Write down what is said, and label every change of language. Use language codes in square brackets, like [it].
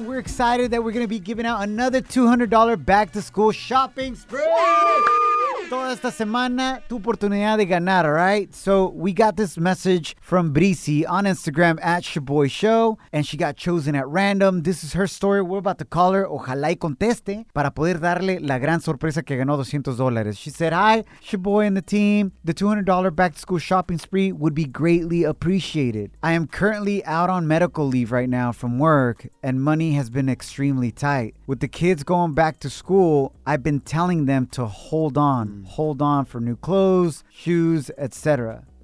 [en] We're excited that we're going to be giving out another $200 back-to-school shopping spree. [es] Toda esta semana, tu oportunidad de ganar, [en] all right? So we got this message from Brisi on Instagram at Shoboy Show, and she got chosen at random. This is her story. We're about to call her. [es] Ojalá y conteste para poder darle la gran sorpresa que ganó $200. [en] She said, hi, Shoboy and the team. The $200 back-to-school shopping spree would be greatly appreciated. I am currently out on medical leave right now from work, and money has been extremely tight. With the kids going back to school, I've been telling them to hold on for new clothes, shoes, etc.